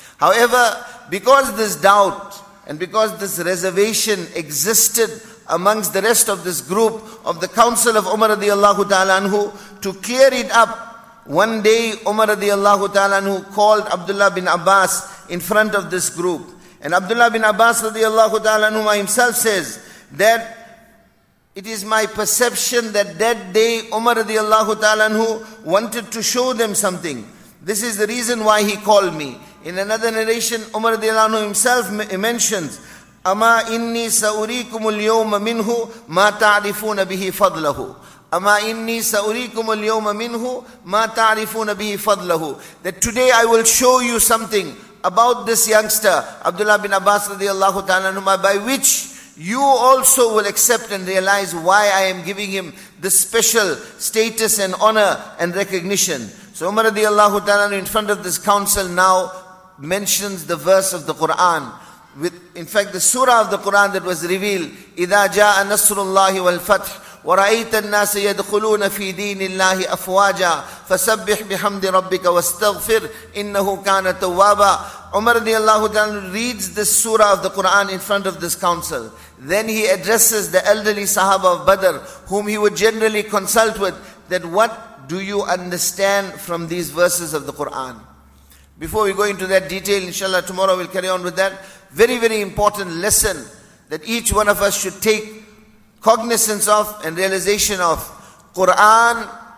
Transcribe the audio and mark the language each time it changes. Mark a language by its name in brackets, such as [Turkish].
[English] However, because this doubt and because this reservation existed amongst the rest of this group of the council of Umar radiallahu ta'ala anhu, to clear it up, one day Umar radiallahu ta'ala anhu called Abdullah bin Abbas in front of this group. And Abdullah bin Abbas radiallahu ta'ala anhu himself says that it is my perception that that day Umar radiallahu ta'ala anhu wanted to show them something. This is the reason why he called me. In another narration, Umar radiallahu anhu himself mentions, [Arabic] أَمَا إِنِّي سَأُرِيكُمُ الْيَوْمَ مِنْهُ مَا تَعْرِفُونَ بِهِ فَضْلَهُ. أَمَا إِنِّي سَأُرِيكُمُ الْيَوْمَ مِنْهُ مَا تَعْرِفُونَ بِهِ فَضْلَهُ. [English] That today I will show you something about this youngster, Abdullah bin Abbas radiallahu ta'ala anhu, by which you also will accept and realize why I am giving him this special status and honor and recognition. So Umar radiallahu ta'ala anhu, in front of this council, now mentions the verse of the Quran. In fact, the surah of the Quran that was revealed, [Arabic] إِذَا جَاءَ نَصْرُ اللَّهِ وَالْفَتْحِ وَرَأَيْتَ النَّاسَ يَدْخُلُونَ فِي دِينِ اللَّهِ أَفْوَاجًا فَسَبِّحْ بِحَمْدِ رَبِّكَ وَاسْتَغْفِرْ إِنَّهُ كَانَ تَوَّابًا. [English] Umar radiallahu ta'ala reads this surah of the Quran in front of this council. Then he addresses the elderly Sahaba of Badr, whom he would generally consult with, that what do you understand from these verses of the Quran? Before we go into that detail, inshallah tomorrow we'll carry on with that. Very, very important lesson that each one of us should take cognizance of and realization of. Quran